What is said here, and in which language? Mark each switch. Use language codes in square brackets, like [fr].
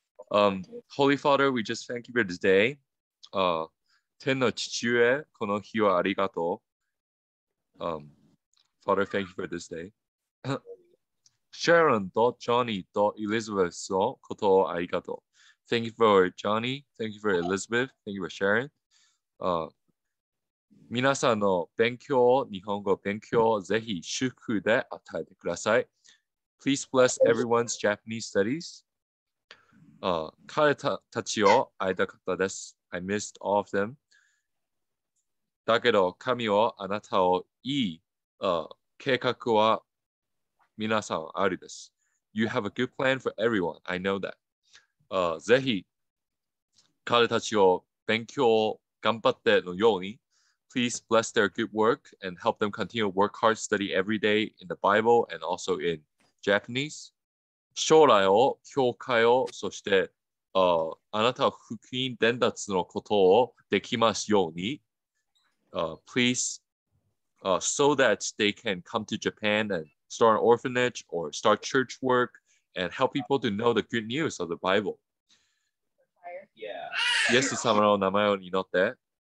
[en] Holy Father, we just thank you for this day. [ja] 天の父へ、この日をありがとう。 [en] Father, thank you for this day. [ja] Sharon と Johnny と Elizabeth のことをありがとう。 [en] Thank you for Johnny. Thank you for Elizabeth. Thank you for Sharon. [ja] 皆さんの勉強、日本語勉強、ぜひ祝福で与えてください。 [en] Please bless everyone's Japanese studies. [ja] 彼たちを会いたかったです。 [en] I missed all of them. [ja] だけど神はあなたをいい計画は皆さんあるです。 [en] You have a good plan for everyone. I know that. [ja] ぜひ彼たちを勉強頑張ってのように [en] Please bless their good work and help them continue to work hard, study every day in the Bible and also in Japanese. [ja] 将来を、教会を、そして、あなたは福音伝達のことをできますように。 [en] Please, so that they can come to Japan and start an orphanage or start church work and help people to know the good news of the Bible. Yeah. [ja] イエス様の名前を祈って。